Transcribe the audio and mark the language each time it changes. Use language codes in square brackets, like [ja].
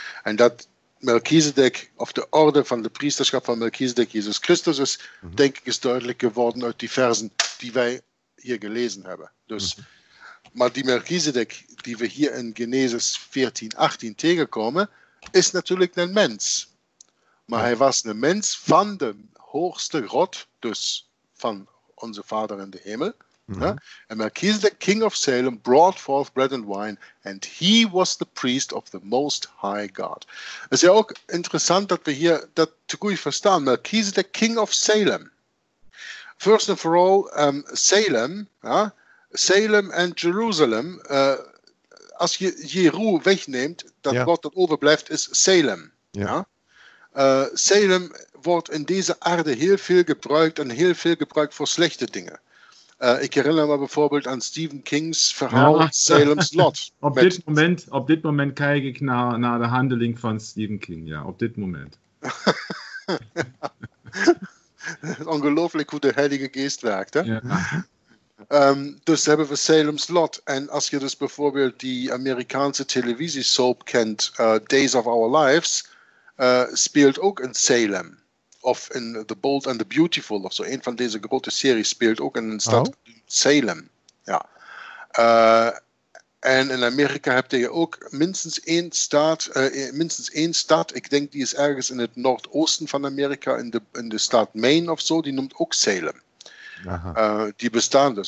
[nl] En dat Melchizedek of de orde van de priesterschap van Melchizedek Jezus Christus is, denk ik, is duidelijk geworden uit die versen die wij hier gelezen hebben. Dus... Maar die Melchizedek, die we hier in Genesis 14, 18 tegenkomen, is natuurlijk een mens. Maar hij was een mens van de hoogste God, dus van onze Vader in de hemel. [en] En Melchizedek, king of Salem, brought forth bread and wine, and he was the priest of the most high God. [nl] Het is ja ook interessant dat we hier dat te goed verstaan. [en] Melchizedek, king of Salem. First and for all, Salem... [nl] Salem en Jeruzalem, als je Jeru wegneemt, dat wat dat overblijft is Salem. Ja. Salem wordt in deze aarde heel veel gebruikt en heel veel gebruikt voor slechte dingen. Ik herinner me bijvoorbeeld aan Stephen King's verhaal Salem's Lot. op dit moment kijk ik naar de handeling van Stephen King, ja, op dit moment. Ongelooflijk hoe de Heilige Geest werkt, hè? Ja. Dus hebben we Salem's Lot. En als je dus bijvoorbeeld die Amerikaanse televisiesoap kent, Days of Our Lives, speelt ook in Salem. Of in The Bold and the Beautiful, of zo. Een van deze grote series speelt ook in een stad Salem. Ja. En in Amerika heb je ook minstens één stad, ik denk die is ergens in het noordoosten van Amerika, in de stad Maine of zo, die noemt ook Salem. die bestaan dus.